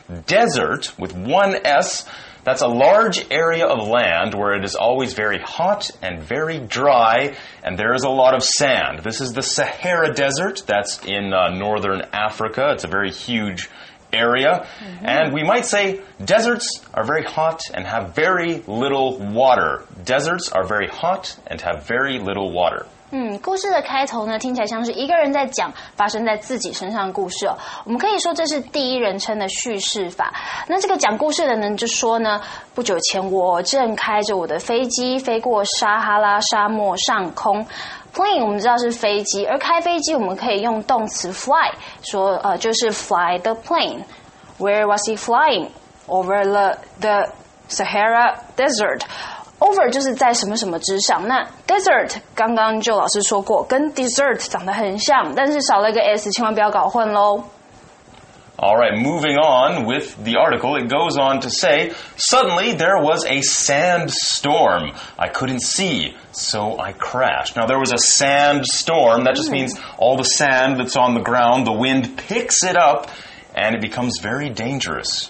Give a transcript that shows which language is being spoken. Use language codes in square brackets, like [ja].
[en] Desert, with one S, that's a large area of land where it is always very hot and very dry, and there is a lot of sand. This is the Sahara Desert. That's in northern Africa. It's a very huge area. Mm-hmm. And we might say deserts are very hot and have very little water. Deserts are very hot and have very little water. [zh] 故事的开头呢，听起来像是一个人在讲发生在自己身上的故事哦。我们可以说这是第一人称的叙事法。那这个讲故事的人就说呢，不久前我正开着我的飞机飞过撒哈拉沙漠上空。 Plane 我们知道是飞机，而开飞机我们可以用动词 fly， 说就是 [en] fly the plane。 Where was he flying? Over the Sahara Desert。 [zh] Over 就是在什么什么之上，那 desert 刚刚就老师说过跟 dessert 长得很像，但是少了一个 s， 千万不要搞混咯。 [en] All right, moving on with the article. It goes on to say, suddenly there was a sandstorm. I couldn't see, so I crashed. Now, there was a sandstorm. That just means all the sand that's on the ground, the wind picks it up, and it becomes very dangerous.